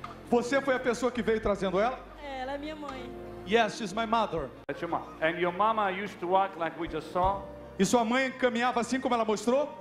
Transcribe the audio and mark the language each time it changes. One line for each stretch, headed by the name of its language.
Portuguese: Você foi a pessoa que veio trazendo ela? Ela é minha mãe.
English: Yes, she's my mother. That's your mom. And your mama used to walk like we just saw?
Portuguese: E sua mãe caminhava assim como ela mostrou?